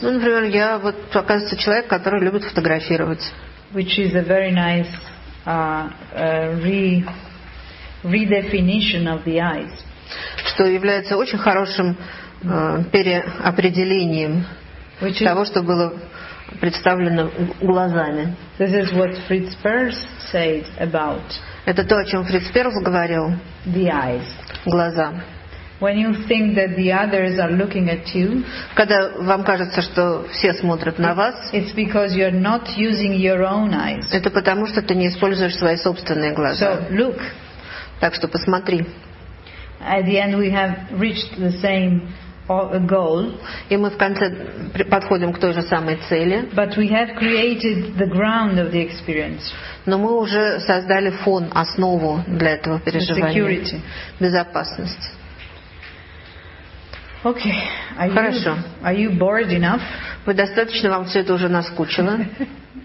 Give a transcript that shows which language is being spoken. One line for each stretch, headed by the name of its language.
Russian: Ну, например, я вот, оказывается, человек, который любит фотографировать.
English: Which is a very nice redefinition of the eyes.
Russian: Что является очень хорошим переопределением того, что было представлено глазами.
English: This is what Fritz Perls said about.
Russian: Это то, о чем Фриц Перлс говорил.
English: The eyes.
Russian: Глаза.
English: When you think that the others are looking at you,
Russian: когда вам кажется, что все смотрят на вас,
English: it's because you're not using your own eyes.
Russian: Это потому, что ты не используешь свои собственные глаза.
English: So look.
Russian: Так что посмотри.
English: at the end we have reached the same goal.
Russian: И мы в конце подходим к той же самой цели.
English: But we have created the ground of the experience.
Russian: Но мы уже создали фон, основу для этого переживания.
English: The security.
Russian: Безопасность.
English: Okay.
Russian: Хорошо.
English: Are you bored enough?
Russian: Вы достаточно вам все это уже наскучило?